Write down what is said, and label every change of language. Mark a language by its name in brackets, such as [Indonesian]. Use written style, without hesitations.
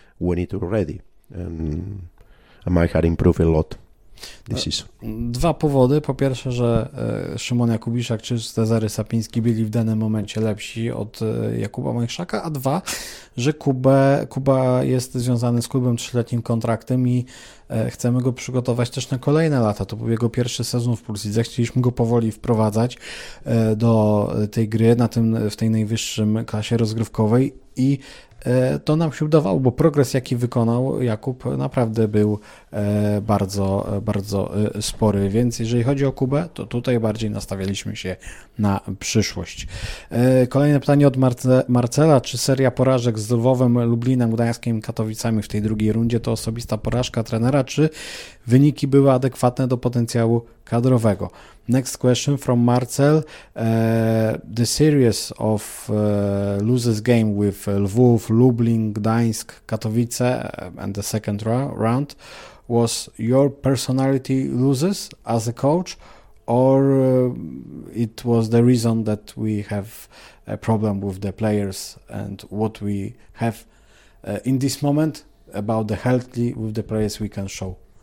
[English] We need to be ready, and I had improved a lot. [Polish] Dwa powody. Po pierwsze, że Szymon Jakubiszak czy Cezary Sapiński byli w danym momencie lepsi od Jakuba Majchrzaka, a dwa, że Kuba jest związany z klubem 3-letnim kontraktem i chcemy go przygotować też na kolejne lata. To był jego pierwszy sezon w Polsce. Chcieliśmy go powoli wprowadzać do tej gry w tej najwyższym klasie rozgrywkowej i to nam się udawało, bo progres, jaki wykonał Jakub, naprawdę był bardzo, bardzo spory. Więc jeżeli chodzi o Kubę, to tutaj bardziej nastawialiśmy się na przyszłość. Kolejne pytanie od Marcela. Czy seria porażek z Lwowem, Lublinem, Gdańskiem, Katowicami w tej drugiej rundzie to osobista porażka trenera, czy wyniki były adekwatne do potencjału kadrowego? [English] Next question from Marcel. The series of loses game with Lwów, Lublin, Gdańsk, Katowice and the second round was your personality loses as a coach or it was the reason that we have a problem with the players and what we have in this moment about the healthy with the players we can show?